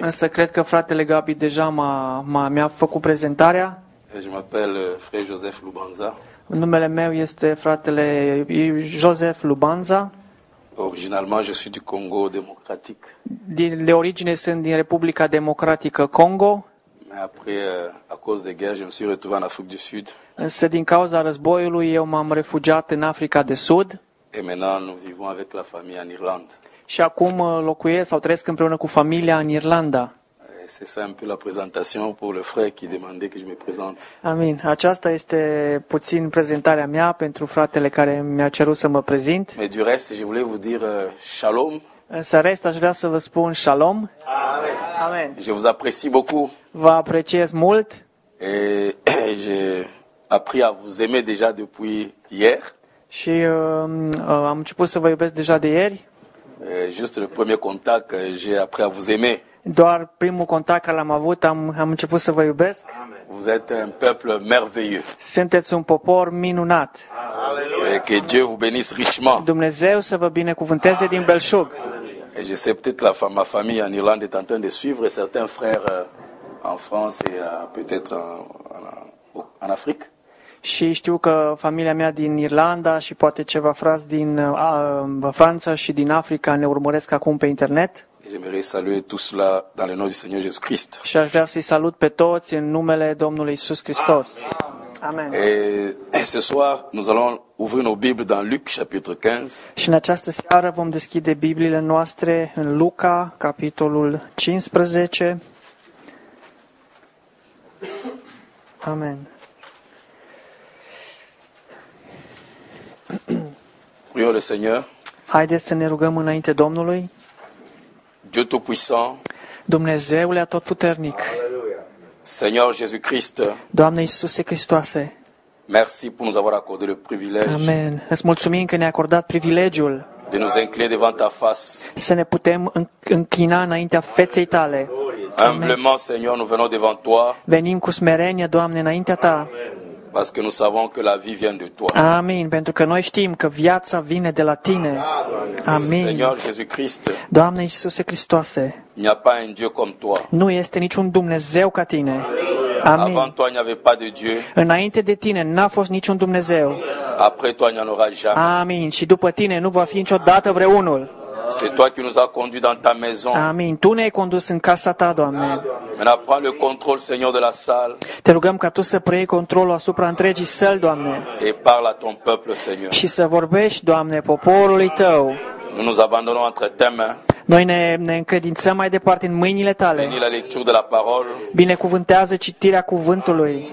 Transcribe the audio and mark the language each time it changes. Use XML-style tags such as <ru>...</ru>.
<ro>Însă cred că fratele Gabi deja mi-a făcut prezentarea.</ro> <fr>Je m'appelle frère Joseph Lubanza.</fr> <ro>Numele meu este fratele Joseph Lubanza.</ro> <fr>Originalement, je suis du Congo démocratique.</fr> <ro>De origine sunt din Republica Democratică Congo.</ro> <fr>Mais après, à cause des guerres, je me suis retrouvé en Afrique du Sud.</fr> <ro>Însă din cauza războiului, eu m-am refugiat în Africa de Sud.</ro> <fr>Et maintenant, nous vivons avec la famille en Irlande.</fr> <ro>Și acum locuiesc sau trăiesc împreună cu familia în Irlanda.</ro> <fr>C'est ça un peu la présentation pour le frère qui demandait que je me présente. Amin.</fr> <ro>Aceasta este puțin prezentarea mea pentru fratele care mi-a cerut să mă prezint.</ro> <fr>Mais du reste, je voulais vous dire shalom.</fr> <ro>Însă rest, aș vrea să vă spun shalom. Amen. Amen.</ro> <fr>Je vous apprécie beaucoup.</fr> <ro>Vă apreciez mult.</ro> <fr>Et j'ai appris à vous aimer déjà depuis hier.</fr> <ro>Și am început să vă iubesc deja de ieri.</ro> <fr>Juste le premier contact, j'ai appris à vous aimer.</fr> <ro>Doar primul contact care l-am avut, am început să vă iubesc.</ro> <fr>Amen. Vous êtes un peuple merveilleux.</fr> <ro>Sunteți un popor minunat.</ro> <fr>Alleluia. Et que Dieu vous bénisse richement.</fr> <ro>Dumnezeu să vă binecuvânteze. Amen. Din belșug.</ro> <fr>Et je sais peut-être la ma famille en Irlande est en train de suivre certains frères en France et peut-être en Afrique.</fr> <ro>Și știu că familia mea din Irlanda și poate ceva frați din Franța și din Africa ne urmăresc acum pe internet.</ro> <fr>J'aimerais saluer tous là dans le nom du Seigneur Jésus Christ.</fr> <ro>Și aș vrea să-i salut pe toți în numele Domnului Iisus Hristos. Amen.</ro> <fr>Et ce soir, nous allons ouvrir nos Bibles dans Luc chapitre 15.</fr> <ro>Și în această seară vom deschide Bibliile noastre în Luca, capitolul 15. Amen.</ro> <fr>Prions le Seigneur.</fr> <ro>Haideți să ne rugăm înainte Domnului.</ro> <fr>Dieu tout puissant.</fr> <ro>Dumnezeule tot puternic.</ro> <fr>Seigneur Jésus Christ.</fr> <ro>Doamne Iisuse Hristoase.</ro> <fr>Merci pour nous avoir accordé le privilège. Amen.</fr> <ro>Îți mulțumim că ne-ai acordat privilegiul.</ro> <fr>De nous incliner devant ta face.</fr> <ro>Să ne putem înclina înaintea feței tale.</ro> <fr>Humblement, Seigneur, nous venons devant toi.</fr> <ro>Venim cu smerenie, Doamne, înaintea ta.</ro> <fr>Parce que nous savons que la vie vient de toi.</fr> <ro>Amin, pentru că noi știm că viața vine de la tine. Amin.</ro> <fr>Seigneur Jésus-Christ.</fr> <ro>Doamne Iisuse Hristoase.</ro> <fr>Il n'y a pas un Dieu comme toi.</fr> <ro>Nu este niciun Dumnezeu ca tine. Amin.</ro> <fr>Avant toi, il n'y avait pas de Dieu.</fr> <ro>Înainte de tine n-a fost niciun Dumnezeu.</ro> <fr>Après toi, il n'y en aura jamais. Amin.</fr> <ro>Și după tine nu va fi niciodată vreunul.</ro> <fr>C'est toi qui nous as conduit dans ta maison. Amin.</fr> <ro>Tu ne-ai condus în casa ta, Doamne.</ro> <fr>Maintenant, prends le contrôle, Seigneur de la salle.</fr> <ro>Te rugăm ca tu să preiei controlul asupra întregii săli, Doamne.</ro> <fr>Et parle à ton peuple, Seigneur.</fr> <ro>Și să vorbești, Doamne, poporului tău.</ro> <fr>Nous nous abandonnons entre tes mains.</fr> <ro>Noi ne încredințăm mai departe în mâinile tale.</ro> <fr>Bénis la lecture de la parole.</fr> <ro>Binecuvântează citirea cuvântului.</ro>